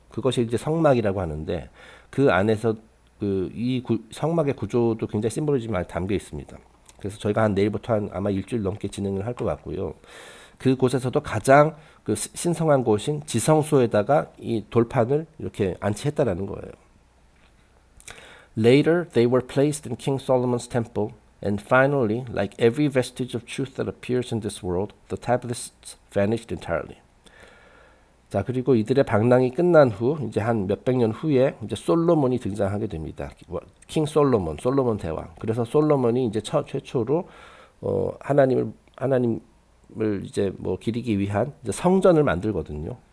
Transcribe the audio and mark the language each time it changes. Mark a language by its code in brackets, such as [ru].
[ko] 그것이 이제 성막이라고 하는데 그 안에서 성막의 구조도 굉장히 심볼리즘이 많이 담겨 있습니다. 그래서 저희가 내일부터 아마 일주일 넘게 진행을 할것 같고요. 그곳에서도 가장 그 신성한 곳인 지성소에다가 이 돌판을 이렇게 안치했다라는 거예요. [en] Later, they were placed in King Solomon's temple, and finally, like every vestige of truth that appears in this world, the tablets vanished entirely. [ko] 자, 그리고 이들의 방랑이 끝난 후, 이제 한 몇백 년 후에 이제 솔로몬이 등장하게 됩니다. 킹 솔로몬, 솔로몬 대왕. 그래서 솔로몬이 이제 최초로 하나님을 이제 뭐 기리기 위한 이제 성전을 만들거든요.